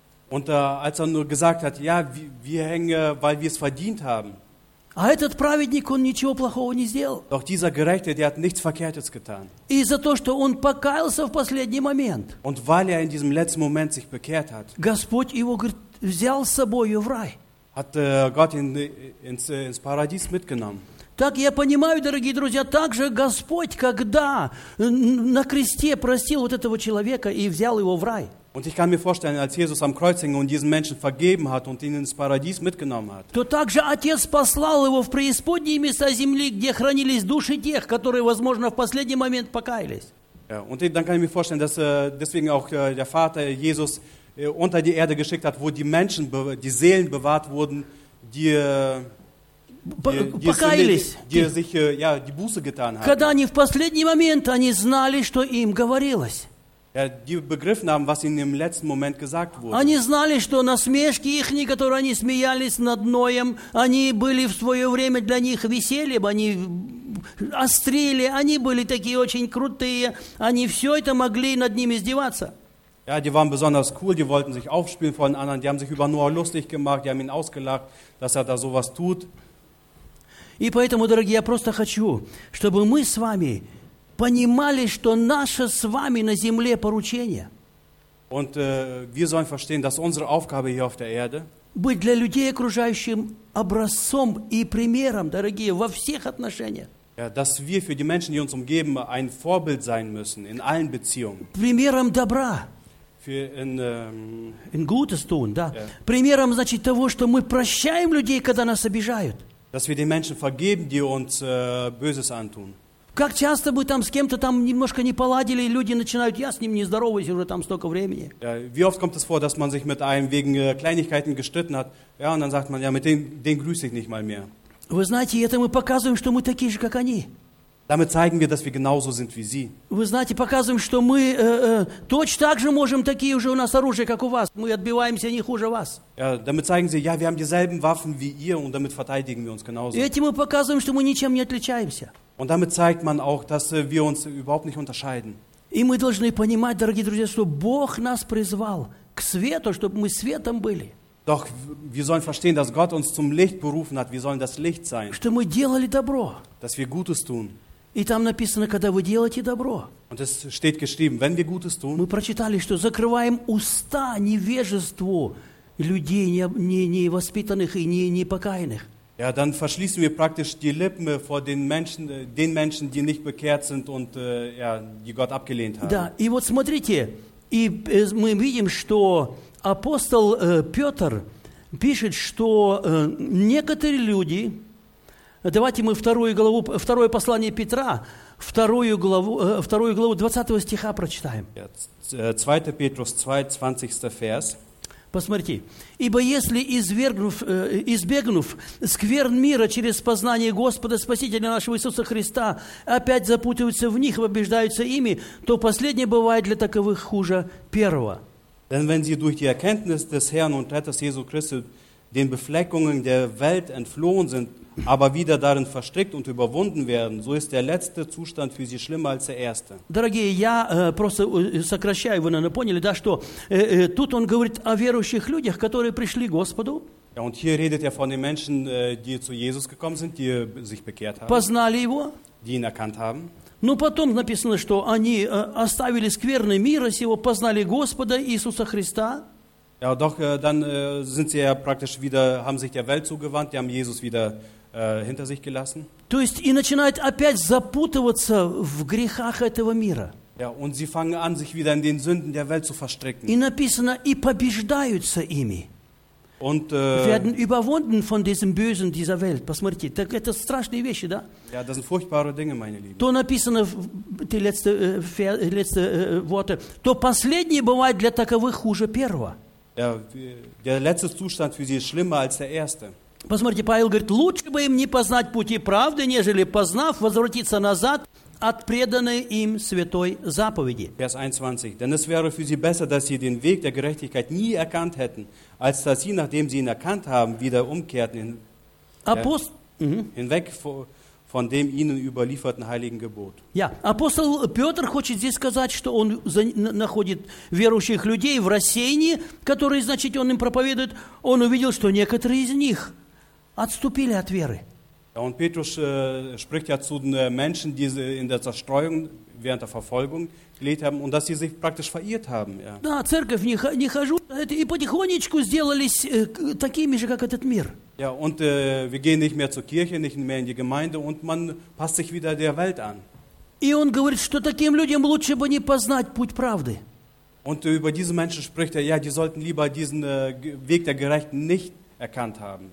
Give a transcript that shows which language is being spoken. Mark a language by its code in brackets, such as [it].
[de] Und als er nur gesagt hat: "Ja, wir hängen, weil wir es verdient haben." [ru] А этот праведник, он ничего плохого не сделал. [de] Doch dieser Gerechte, der hat nichts Verkehrtes getan. [ru] И за то, что он покаялся в последний момент. [de] Und weil in diesem letzten Moment sich bekehrt hat. [ru] Господь его, говорит, взял с собой в рай. [de] Hat Gott ihn ins Paradies mitgenommen. [ru] Так я понимаю, дорогие друзья, также Господь, когда на кресте простил вот этого человека и взял его в рай. [de] Und ich kann mir vorstellen, als Jesus am Kreuz hing und diesen Menschen vergeben hat und ihn ins Paradies mitgenommen hat. [ru] То также отец послал его в преисподние места земли, где хранились души тех, которые, возможно, в последний момент покаялись. [de] Ja, und dann kann ich mir vorstellen, dass deswegen auch der Vater Jesus unter die Erde geschickt hat, wo die Menschen, die Seelen bewahrt wurden, die Buße getan haben. [ru] Когда они в последний момент они знали, что им говорилось. [de] Ja, die begriffen haben, was ihnen im letzten Moment gesagt wurde. [ru] Они знали, что насмешки их, которые они смеялись над Ноем, они были в свое время для них весельем, они острили, они были такие очень крутые, они все это могли над ним издеваться. [de] Ja, die waren besonders cool, die wollten sich aufspielen vor den anderen, die haben sich über Noah lustig gemacht, die haben ihn ausgelacht, dass er da sowas tut. [ru] И поэтому, дорогие, я просто хочу, чтобы мы с вами понимали, что наше с вами на земле поручение. [de] Und wir sollen verstehen, dass unsere Aufgabe hier auf der Erde [ru] быть для людей окружающим образцом и примером, дорогие, во всех отношениях. [de] Ja, dass wir für die Menschen, die uns umgeben, ein Vorbild sein müssen in allen Beziehungen. [ru] Примером добра. [de] Für in Gutes tun, да. Yeah. [ru] Примером, значит, того, что мы прощаем людей, когда нас обижают. [de] Dass wir den Menschen vergeben, die uns Böses antun. [ru] Как часто бы там с кем-то там немножко не поладили, и люди начинают, я с ним не здороваюсь уже там столько времени. [de] Ja, wie oft kommt es vor, dass man sich mit einem wegen Kleinigkeiten gestritten hat, ja, und dann sagt man, ja, mit dem grüße ich nicht mal mehr. [ru] Вы знаете, это мы показываем, что мы такие же, как они. [de] Damit zeigen wir, dass wir genauso sind wie sie. [ru] Вы знаете, показываем, что мы точно так же можем такие уже у нас оружие, как у вас. Мы отбиваемся не хуже вас. [de] Ja, damit zeigen sie, ja, wir haben dieselben Waffen wie ihr und damit verteidigen wir uns genauso. [ru] Этим мы показываем, что мы ничем не отличаемся. [de] Und damit zeigt man auch, dass wir uns überhaupt nicht unterscheiden. [ru] И мы должны понимать, дорогие друзья, что Бог нас призвал к свету, чтобы мы светом были. [de] Doch wir sollen verstehen, dass Gott uns zum Licht berufen hat. Wir sollen das Licht sein. [ru] Что мы делали добро. [de] Dass wir Gutes tun. [ru] И там написано, когда вы делаете добро. [de] Und es steht geschrieben, wenn wir Gutes tun. [ru] Мы прочитали, что закрываем уста невежеству людей невоспитанных и непокаянных. [de] Ja, dann verschließen wir praktisch die Lippen vor den Menschen, die nicht bekehrt sind und ja, die Gott abgelehnt haben. [ru] Да, и вот смотрите, и мы видим, что апостол Петр пишет, что некоторые люди. Давайте мы вторую главу, второе послание Петра, вторую главу 20 стиха прочитаем. [de] 2 Петрус 2, 20 Vers. [ru] Посмотрите. «Ибо если, избегнув скверн мира через познание Господа Спасителя нашего Иисуса Христа, опять запутываются в них и побеждаются ими, то последнее бывает для таковых хуже первого». [de] Denn wenn sie durch die Erkenntnis des Herrn und Retters Jesu Christi den Befleckungen der Welt entflohen sind, aber wieder darin verstrickt und überwunden werden, so ist der letzte Zustand für sie schlimmer als der erste. [ru] Дорогие, я просто сокращаю, вы, наверное, поняли, да, что тут он говорит о верующих людях, которые пришли к Господу. [de] Ja, und hier redet von den Menschen, die zu Jesus gekommen sind, die sich bekehrt haben. [ru] Познали его. [de] Die ihn erkannt haben. [ru] Ну, потом написано, что они оставили скверны мира сего, познали Господа Иисуса Христа. [de] Ja, doch dann sind sie ja praktisch wieder, haben sich der Welt zugewandt, die haben Jesus wieder hinter sich gelassen. [ru] То есть и начинают опять запутываться в грехах этого мира. [de] Ja, und sie fangen an, sich wieder in den Sünden der Welt zu verstricken. [ru] И написано, и побеждаются ими. [de] Und, werden überwunden von diesem Bösen dieser Welt. [ru] Посмотрите, так это страшные вещи, да? [de] Ja, das sind furchtbare Dinge, meine Lieben. [ru] То написано, [de] die letzte Worte, [ru] то последнее бывает для таковых хуже первого. [de] Ja, der letzte Zustand für sie ist schlimmer als der erste. [ru] Посмотрите, Павел говорит, лучше бы им не познать пути правды, нежели познав, возвратиться назад от преданной им святой заповеди. [de] Vers 21. Denn es wäre für sie besser, dass sie den Weg der Gerechtigkeit nie erkannt hätten, als dass sie, nachdem sie ihn erkannt haben, wieder umkehrten hinweg von dem ihnen überlieferten heiligen Gebot. [ru] Ja, Apostel Peter хочет здесь сказать, что он находит верующих людей в рассеянии, которые, значит, он им проповедует, он увидел, что некоторые из них отступили от веры. [de] Ja, und Petrus spricht ja zu den Menschen, die in der Zerstreuung während der Verfolgung gelebt haben und dass sie sich praktisch verirrt haben. Ja. [ru] Да, церковь не хожу, и потихонечку сделались такими же, как этот мир. [de] Ja, und wir gehen nicht mehr zur Kirche, nicht mehr in die Gemeinde und man passt sich wieder der Welt an. [ru] И он говорит, что таким людям лучше бы не познать путь правды. [de] Und über diese Menschen spricht er, ja, die sollten lieber diesen Weg der Gerechten nicht erkannt haben.